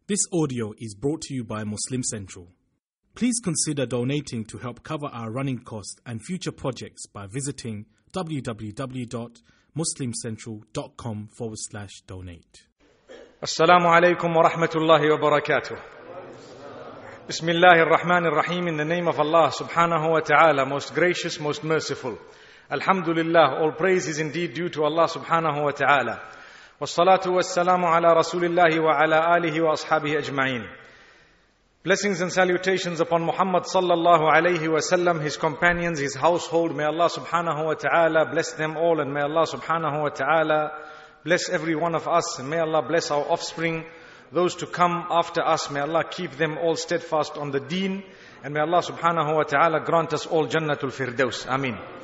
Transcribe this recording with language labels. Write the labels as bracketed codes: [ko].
[en] This audio is brought to you by Muslim Central. Please consider donating to help cover our running costs and future projects by visiting www.muslimcentral.com/donate. Assalamu alaikum wa rahmatullahi wa barakatuh. Bismillahir Rahmanir Rahim. In the name of Allah subhanahu wa ta'ala, most gracious, most merciful. Alhamdulillah, all praise is indeed due to Allah subhanahu wa ta'ala. [ar] والصلاة والسلام على رسول الله وعلى آله وأصحابه أجمعين. [en] Blessings and salutations upon Muhammad sallallahu alayhi wa sallam, his companions, his household. May Allah subhanahu wa ta'ala bless them all, and may Allah subhanahu wa ta'ala bless every one of us, and may Allah bless our offspring, those to come after us. May Allah keep them all steadfast on the deen, and may Allah subhanahu wa ta'ala grant us all Jannatul Firdaus. Ameen.